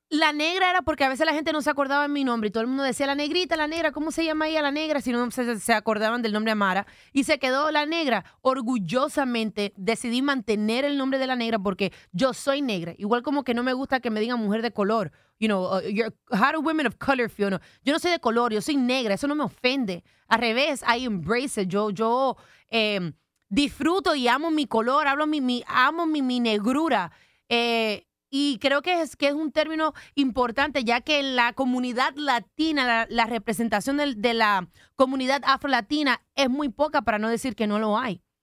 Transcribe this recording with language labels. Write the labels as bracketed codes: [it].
[es] La negra era porque a veces la gente no se acordaba de mi nombre y todo el mundo decía, la negrita, la negra, ¿cómo se llama ella, la negra? Si no se acordaban del nombre Amara. Y se quedó La Negra. Orgullosamente decidí mantener el nombre de La Negra porque yo soy negra. Igual como que no me gusta que me digan mujer de color. [en] You know, how do women of color feel? [es] No, yo no soy de color, yo soy negra. Eso no me ofende. Al revés, [en] I embrace it. [es] Yo disfruto y amo mi color, amo mi negrura. Y creo que es un término importante, ya que en la comunidad latina, la representación de la comunidad afro-latina es muy poca, para no decir que no lo hay.